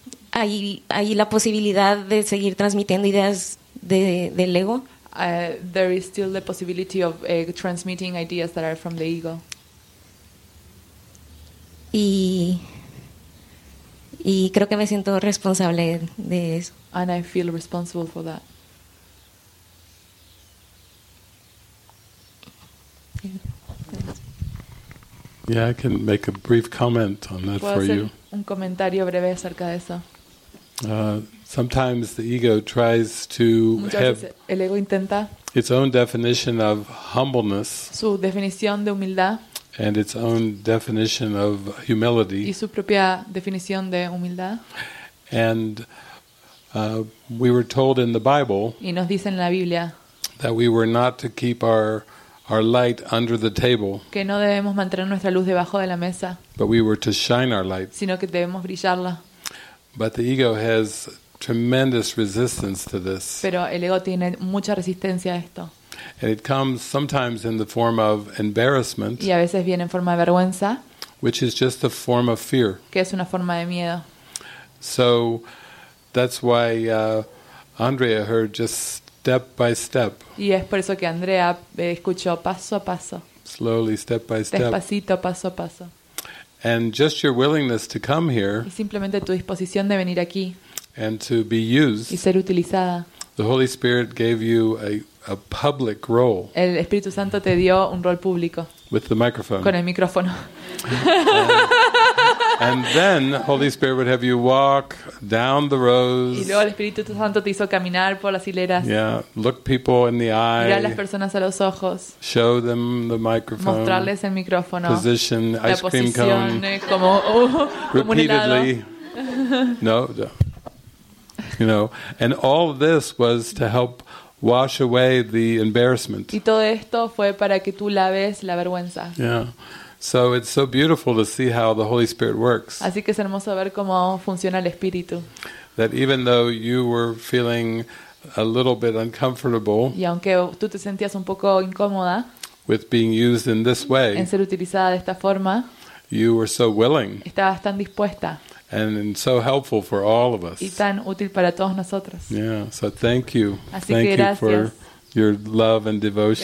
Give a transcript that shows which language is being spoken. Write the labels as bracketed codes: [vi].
[es] hay la posibilidad de seguir transmitiendo ideas del ego. [en] There is still the possibility of transmitting ideas that are from the ego. [es] Y creo que me siento responsable de eso. [en] And I feel responsible for that. Yeah, I can make a brief comment on that for you. [es] ¿Puedo hacer un comentario breve acerca de eso? [en] Sometimes the ego tries to have [es] el ego intenta [en] its own definition of humbleness, [es] su definición de humildad, [en] and its own definition of humility, [es] y su propia definición de humildad. [en] And we were told in the Bible, [es] y nos dicen en la Biblia, [en] that we were not to keep our light under the table, [es] que no debemos mantener nuestra luz debajo de la mesa, [en] but we were to shine our light, [es] sino que debemos brillarla. [en] But the ego has tremendous resistance to this. [es] Pero el ego tiene mucha resistencia a esto. [en] And it comes sometimes in the form of embarrassment. [es] Y a veces viene en forma de vergüenza. [en] Which is just a form of fear. [es] Que es una forma de miedo. [en] So that's why Andrea heard just step by step. [es] Y es por eso que Andrea escuchó paso a paso. [en] Slowly, step by step. [es] Despacito, paso a paso. [en] And just your willingness to come here. [es] Y simplemente tu disposición de venir aquí. [en] And to be used. [es] Y ser utilizada. [en] The Holy Spirit gave you a public role. [es] El Espíritu Santo te dio un rol público. [en] With the microphone. [es] Con el micrófono. [en] And then Holy Spirit would have you walk down the rows. [es] Y luego el Espíritu Santo te hizo caminar por las hileras. [en] Yeah, look people in the eye. [es] Mirar las personas a los ojos. [en] Show them the microphone. [es] Mostrarles el micrófono. [en] Position [es] la [en] ice cream cone. [es] Como un helado. [en] No, no. You know, and all this was to help wash away the embarrassment. [es] Y todo esto fue para que tú laves la vergüenza. [en] Yeah. So it's so beautiful to see how the Holy Spirit works. [es] Así que es hermoso ver cómo funciona el Espíritu. [en] That even though you were feeling a little bit uncomfortable, [es] y aunque tú te sentías un poco incómoda, [en] with being used in this way, [es] en ser utilizada de esta forma, [en] you were so willing. [es] Estabas tan dispuesta. [en] And so helpful for all of us. [es] Y tan útil para todos nosotros. [en] Yeah, so thank you. [es] Así [en] thank [es] que gracias. [en] You for your love and devotion.